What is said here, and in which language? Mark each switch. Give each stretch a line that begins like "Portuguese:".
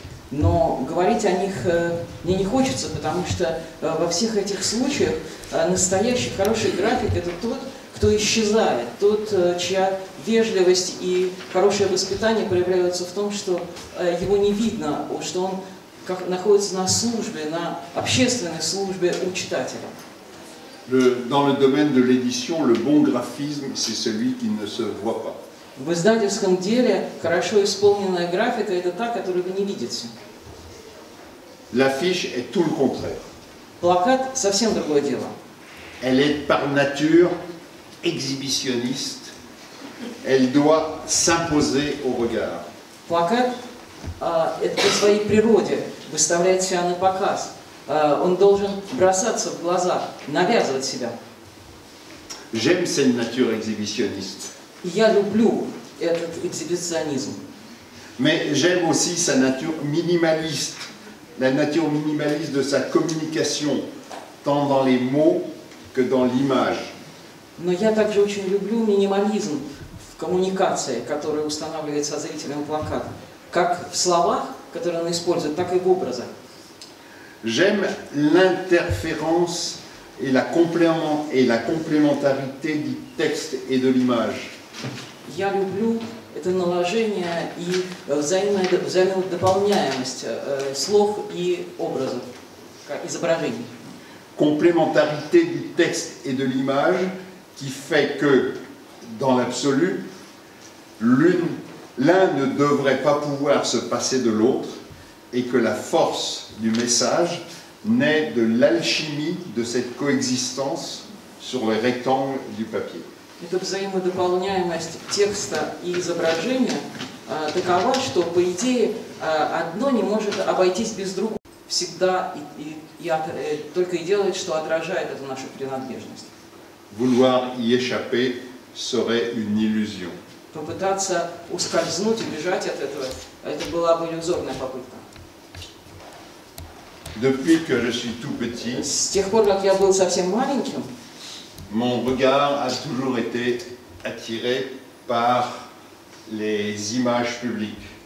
Russian: Но говорить о них мне не хочется, потому что во всех этих случаях настоящий хороший график — это тот, кто исчезает, тот, чья вежливость и хорошее воспитание проявляются в том, что его не видно, что он как находится на службе, на общественной службе у читателя.
French: Dans le domaine de l'édition, le bon graphisme, c'est celui qui ne se voit pas.
Russian: В издательском деле хорошо исполненная графика — это та, которую вы не видите.
French: L'affiche est tout le contraire.
Russian: Плакат совсем другое дело.
French: Elle est par nature exhibitionniste. Elle doit s'imposer au regard.
Russian: Плакат это по своей природе выставляет себя на показ. Он должен бросаться в глаза, навязывать себя.
French: J'aime cette nature exhibitionniste.
Russian: Я люблю этот экзибиционизм.
French: Mais j'aime aussi sa nature minimaliste, la nature minimaliste de sa communication, tant dans les mots que dans l'image.
Russian: Но я также очень люблю минимализм в коммуникации, который устанавливается зрителям плаката, как в словах, которые он использует, так и в образах.
French: J'aime l'interférence et la complémentarité du texte et de l'image.
Russian: Я люблю это наложение и взаимодополняемость слов и образов, изображений.
French: Complémentarité du texte et de l'image qui fait que, dans l'absolu, l'un ne devrait pas pouvoir se passer de l'autre et que la force du message naît de l'alchimie de cette coexistence sur le rectangle du papier.
Russian: Эта взаимодополняемость текста и изображения такова, что, по идее, одно не может обойтись без другого. Всегда только и делает, что отражает эту нашу принадлежность.
French: Vouloir y échapper serait une illusion.
Russian: Попытаться ускользнуть, убежать от этого, это была бы иллюзорная попытка.
French: Depuis que je suis tout petit,
Russian: с тех пор, как я был совсем маленьким,
French: mon regard a toujours été attiré par les images publiques.